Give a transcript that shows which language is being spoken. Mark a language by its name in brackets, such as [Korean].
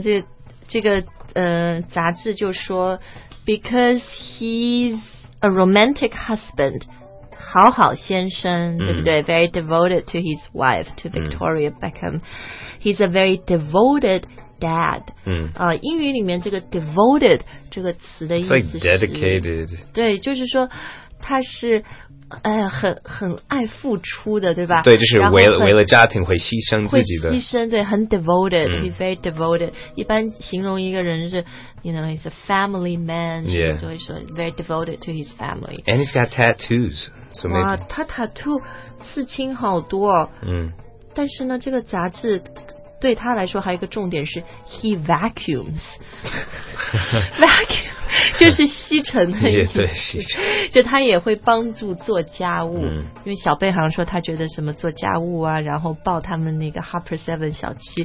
[Chinese] 这个杂志就说 [English] ，because he's a romantic husband. [Chinese] 好好先生，对不对？ [English] Very devoted to his wife, to Victoria Beckham. He's a very devoted dad. [Chinese] 英语里面这个 devoted 这个词的意思是 [English] It's like dedicated. [Chinese] 对，就是说他是很爱付出的，对吧？对，就是为了家庭会牺牲自己的。会牺牲，对，很 devoted. [English] He's very devoted. [Chinese] 一般形容一个人是 [English] You know, he's a family man. Yeah. [Chinese] 就会说 [English] very devoted to his family. And he's got tattoos. So maybe. [Chinese] 哇，他 tattoo 刺青好多。但是呢，这个杂志对他来说还有一个重点是 [English] he vacuums. [Chinese] Vacuum 就是吸尘的意思。也对，吸尘。就他也会帮助做家务，因为小贝好像说他觉得什么做家务啊，然后抱他们那个 Harper 7小七。